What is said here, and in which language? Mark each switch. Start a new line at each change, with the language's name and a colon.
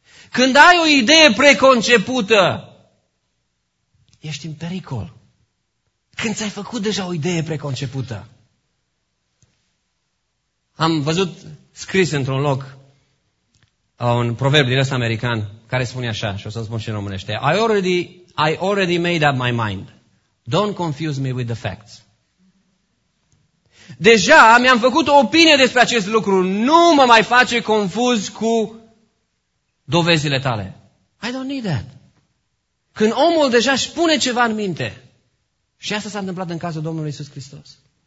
Romanian: Când ai o idee preconcepută, ești în pericol. Când ți-ai făcut deja o idee preconcepută. Am văzut scris într-un loc un proverb din ăsta american care spune așa, și o să-l spun și în românește.
English: I already made up my mind. Don't confuse me with the facts.
Romanian: Deja mi-am făcut o opinie despre acest lucru. Nu mă mai face confuz cu dovezile tale.
English: I don't need that.
Romanian: Când omul deja își pune ceva în minte. Și asta s-a întâmplat în cazul Domnului Iisus Hristos.